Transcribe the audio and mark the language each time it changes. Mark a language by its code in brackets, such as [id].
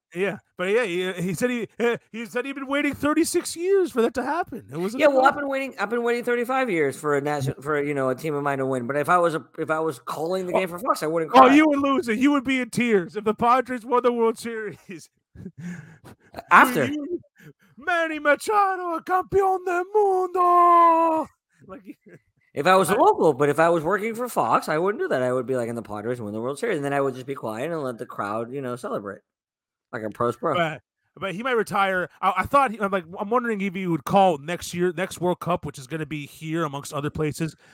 [en] Yeah, but yeah, he said he'd been waiting 36 years for that to happen. It was I've been waiting 35 years for a team of mine to win. But if I was calling the game for Fox, I wouldn't. Oh, you would lose it. You would be in tears if the Padres won the World Series. After [es] Manny Machado, campeón del mundo. [en] Like. If I was a local, but if I was working for Fox, I wouldn't do that. I would be like, in the Padres win the World Series, and then I would just be quiet and let the crowd, celebrate. Like a pro's pro. But he might retire. I'm wondering if he would call next World Cup, which is going to be here amongst other places.